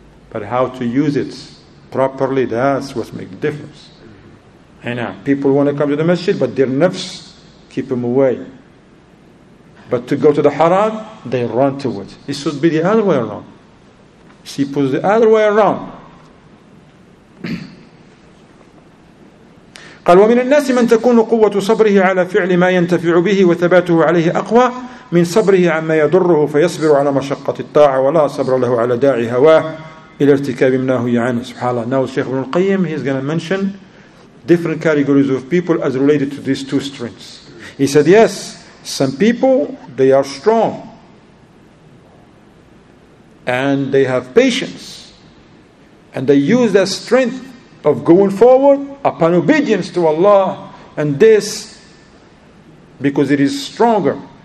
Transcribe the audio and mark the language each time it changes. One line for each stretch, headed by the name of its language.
English: But how to use it properly, that's what makes the difference. I know, people want to come to the masjid, but their nafs keep them away. But to go to the haram, they run to it. It should be the other way around. She puts the other way around.
Arabic: قال ومن الناس من تكون قوة صبره على فعل ما ينتفع به وثباته عليه أقوى من صبره عما يضره فيصبر على مشقة الطاعة ولا صبر له على داعي هواه إلى ارتكاب ما هو يعني سبحان الله.
English: Now Sheikh Ibn al-Qayyim, he's going to mention different categories of people as related to these two strengths. He said, yes, some people, they are strong and they have patience and they use their strength of going forward upon obedience to Allah and this because it is stronger.